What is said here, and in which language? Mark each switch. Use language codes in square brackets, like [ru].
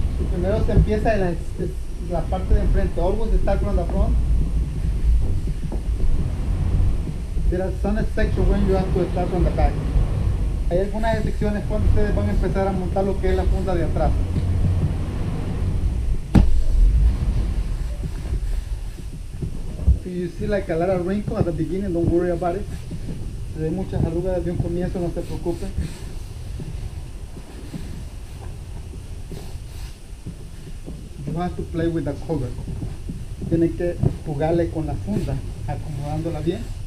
[es] Primero se empieza en la parte de enfrente. [en] Always start from the front. There are some sections when you have to start from the back. [es] Hay algunas excepciones cuando ustedes van a empezar a montar lo que es la funda de atrás. [en] If you see like a lot of wrinkles at the beginning, don't worry about it. [es] Si hay muchas arrugas desde un comienzo, no se preocupen. [en] You have to play with the cover. [es] Tienen que jugarle con la funda, acomodándola bien.